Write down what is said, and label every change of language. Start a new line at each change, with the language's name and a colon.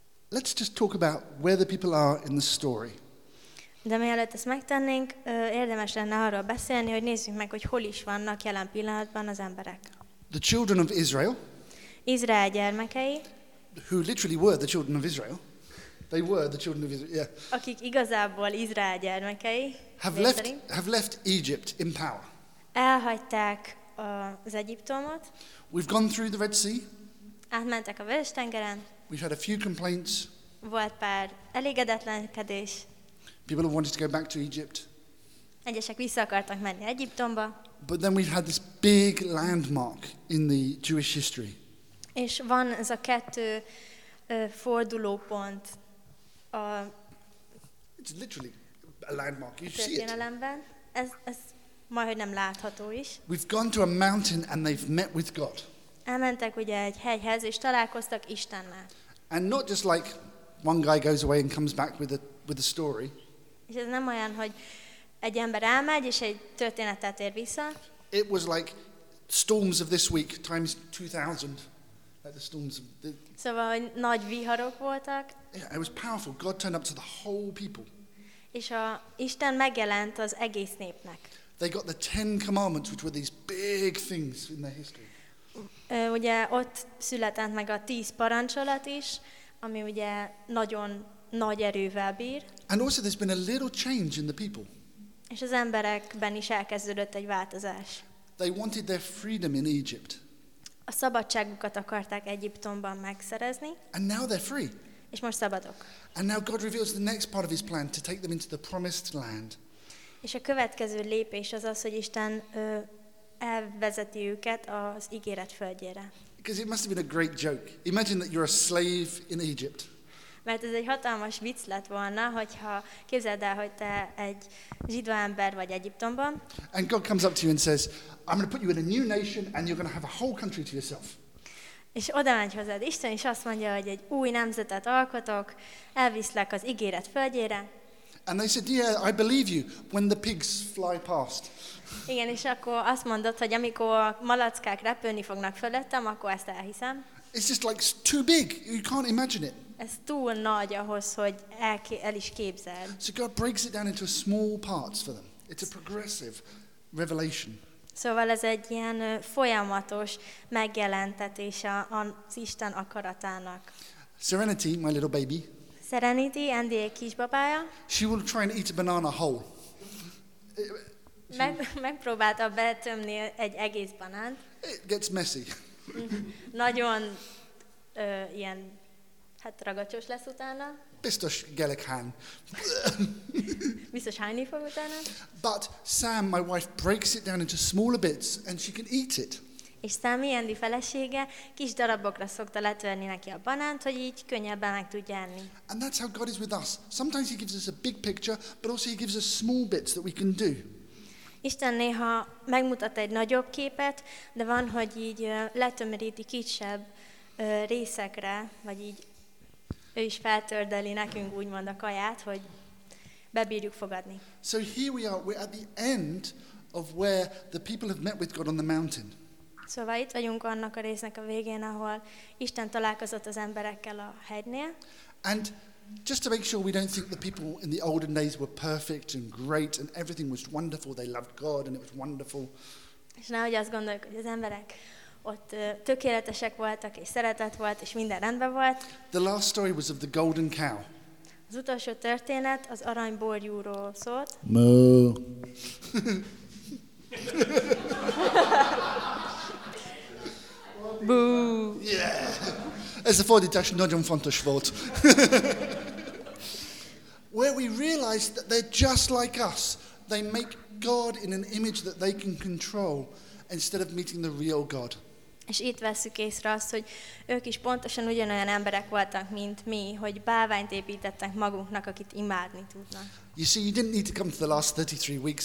English: let's just talk about where the people are in the story.
Hungarian: De mielőtt ezt megtennénk, érdemes lenne arról beszélni, hogy nézzük meg, hogy hol is vannak jelen pillanatban az emberek.
English: The children of Israel.
Hungarian: Izrael gyermekei.
English: Who literally were the children of Israel. They were the children of Israel, yeah.
Hungarian: Akik igazából Izrael gyermekei.
English: Have left Egypt in power.
Hungarian: Elhagyták az Egyiptomot.
English: We've gone through the Red Sea.
Hungarian: Átmentek a Vöröstengeren.
English: We've had a few complaints.
Hungarian: Volt pár elégedetlenkedés.
English: People have wanted to go back to Egypt.
Hungarian: Egyesek vissza akartak menni Egyiptomba.
English: But then we've had this big landmark in the Jewish history.
Hungarian: És van ez a kettő fordulópont.
English: It's literally a landmark. You see it.
Hungarian: Történelemben. Ez majdhogy nem látható is.
English: We've gone to a mountain and they've met with God.
Hungarian: Elmentek ugye egy hegyhez és találkoztak Istennel.
English: And not just like one guy goes away and comes back with a story.
Hungarian: És ez nem olyan, hogy egy ember elmegy és egy történetet ér vissza.
English: It was like storms of this week times 2000. Like the storms of the...
Hungarian: Szóval nagy viharok voltak.
English: Yeah, it was powerful. God turned up to the whole people.
Hungarian: És a Isten megjelent az egész népnek.
English: They got the Ten Commandments, which were these big things in their history.
Hungarian: Ugye ott született meg a 10 parancsolat is, ami ugye nagyon nagy erővel bír.
English: And also there's been a little change in the people.
Hungarian: És az emberekben is elkezdődött egy változás.
English: They wanted their freedom in Egypt.
Hungarian: A szabadságukat akarták Egyiptomban megszerezni.
English: And now they're free.
Hungarian: És most szabadok.
English: And now God reveals the next part of his plan to take them into the promised land.
Hungarian: És a következő lépés az, hogy Isten elvezeti őket az ígéret földjére.
English: Because it must have been a great joke. Imagine that you're a slave in Egypt.
Hungarian: Mert ez egy hatalmas vicc lett volna, hogyha képzeld el, hogy te egy zsidó ember vagy Egyiptomban.
English: And God comes up to you and says, I'm going to put you in a new nation and you're going to have a whole country to yourself.
Hungarian: És oda megy hozzád Isten, és azt mondja, hogy egy új nemzetet alkotok, elviszlek az ígéret földjére.
English: And they said, yeah, I believe you, when the pigs fly past.
Hungarian: Igen, és akkor azt mondod, hogy amikor a malackák repülni fognak fölöttem, akkor ezt elhiszem.
English: It's just like too big. You can't imagine it.
Hungarian: Ez túl nagy ahhoz, hogy el is képzeld.
English: So God breaks it down into small parts for them. It's a progressive revelation.
Hungarian: Szóval ez egy ilyen folyamatos megjelentetése az Isten akaratának.
English: Serenity, my little baby.
Hungarian: Serenity, Andy egy kisbabája.
English: She will try and eat a banana whole.
Hungarian: Megpróbálta betömni egy egész banánt.
English: It gets messy.
Hungarian: Nagyon ilyen, hát ragacsos lesz utána. biztos gelekhán. Biztos hányni fog utána.
English: But Sam, my wife, breaks it down into smaller bits, and she can eat it.
Hungarian: És Sammy, Andy felesége, kis darabokra szokta letörni neki a banánt, hogy így könnyebben meg tudja enni.
English: And that's how God is with us. Sometimes he gives us a big picture, but also he gives us small bits that we can do.
Hungarian: Isten néha megmutat egy nagyobb képet, de van, hogy így letömöríti kisebb részekre, vagy így ő is feltördeli nekünk úgymond a kaját, hogy bebírjuk fogadni.
English: So here we are, we're at the end of where the people have met with God on the mountain.
Hungarian: Szóval itt vagyunk annak a résznek a végén, ahol Isten találkozott az emberekkel a hegynél.
English: And just to make sure we don't think the people in the olden days were perfect and great and everything was wonderful, they loved God and it was wonderful.
Hungarian: És nehogy azt gondoljuk, hogy az emberek ott tökéletesek voltak, és szeretet volt, és minden rendben volt.
English: The last story was of the golden cow.
Hungarian: Az utolsó történet az aranyborjúról szólt. Moo. Boo. Yeah. Ez a fordítás nagyon fontos volt.
English: Where we realize that they're just like us. They make God in an image that they can control instead of meeting the real God.
Hungarian: És itt veszük észre azt, hogy ők is pontosan ugyanolyan emberek voltak, mint mi, hogy báványt építettek magunknak, akit imádni tudnak.
English: You see, you didn't need to come to the last 33 weeks.